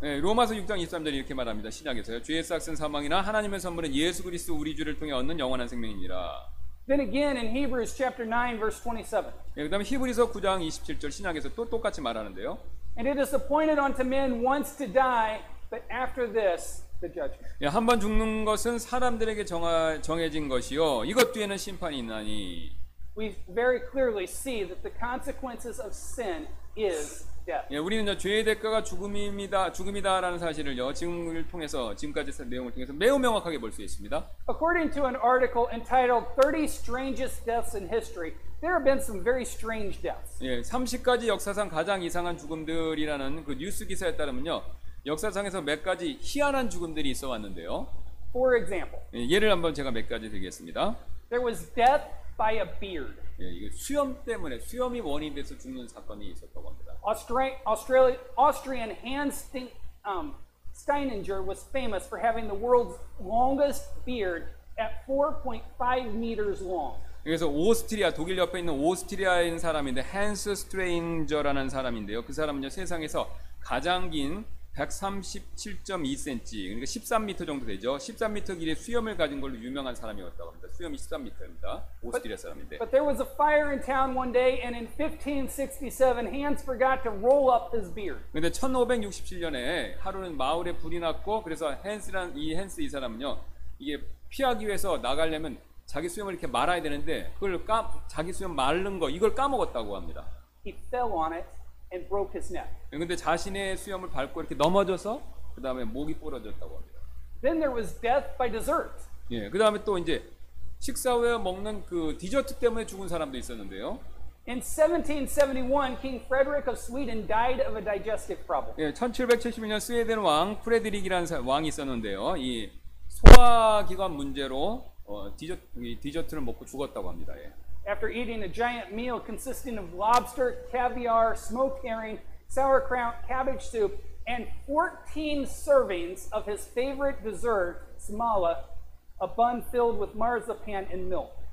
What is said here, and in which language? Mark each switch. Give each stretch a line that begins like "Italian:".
Korean: 네, 로마서 6장 23절 이렇게 말합니다. 신약에서요. 죄의 삯은 사망이나 하나님의 선물은 예수 그리스도 우리 주를 통해 얻는 영원한 생명이니라.
English: Then again in Hebrews chapter 9 verse 27.
Korean: 네, 그다음에 히브리서 9장 27절 신약에서 또 똑같이 말하는데요.
English: And it is appointed unto men once to die, but after this the judgment.
Korean: 예, 네, 한번 죽는 것은 사람들에게 정해진 것이요. 이것 뒤에는 심판이 있나니.
English: We very clearly see that the consequences of sin is death.
Korean: 예, 우리는요 죄의 대가가 죽음입니다, 죽음이다라는 사실을요 지금을 통해서 지금까지 쓴 내용을 통해서 매우 명확하게 볼 수 있습니다.
English: According to an article entitled "30 Strangest Deaths in History," there have been some very strange deaths.
Korean: 예, 30가지 역사상 가장 이상한 죽음들이라는 그 뉴스 기사에 따르면요 역사상에서 몇 가지 희한한 죽음들이 있어 왔는데요.
English: For example,
Korean: 예, 예를 한번 제가 몇 가지 드리겠습니다.
English: There was death. By a beard.
Korean: 예, 이게 수염 때문에 수염이 원인이 돼서 죽는 사건이 있었다고 합니다.
English: Austrian Hans Steininger was famous for having the world's longest beard at 4.5 meters long.
Korean: 그래서 오스트리아 독일 옆에 있는 오스트리아인 사람인데 헨스 스트레인저라는 사람인데요. 그 사람은요 세상에서 가장 긴 137.2cm 그러니까 13m 정도 되죠. 13m 길이의 수염을 가진 걸로 유명한 사람이었다고 합니다. 수염이 13m입니다. 오스트리아 사람인데.
English: But there was a fire in town one day and in 1567 Hans forgot to roll up his beard.
Korean: 근데 1567년에 하루는 마을에 불이 났고 그래서 이 헨스 이 사람은요. 이게 피하기 위해서 나가려면 자기 수염을 이렇게 말아야 되는데 그걸 자기 수염 말른 거 이걸 까먹었다고 합니다.
English: He fell on it. And broke his neck.
Korean: 그런데 자신의 수염을 밟고 이렇게 넘어져서 그 다음에 목이 부러졌다고 합니다.
English: Then there was death by dessert.
Korean: 예, 그 다음에 또 이제 식사 후에 먹는 그 디저트 때문에 죽은 사람도 있었는데요.
English: In 1771, King Frederick of Sweden died of a digestive problem.
Korean: 예, 1772년 스웨덴 왕 프레드릭이라는 왕이 있었는데요. 이 소화기관 문제로 디저트를 먹고 죽었다고 합니다. 예.
English: After eating a giant meal consisting of lobster, caviar, smoked herring, sauerkraut, cabbage soup, and 14 servings of his favorite dessert, smala, a bun filled with marzipan and milk.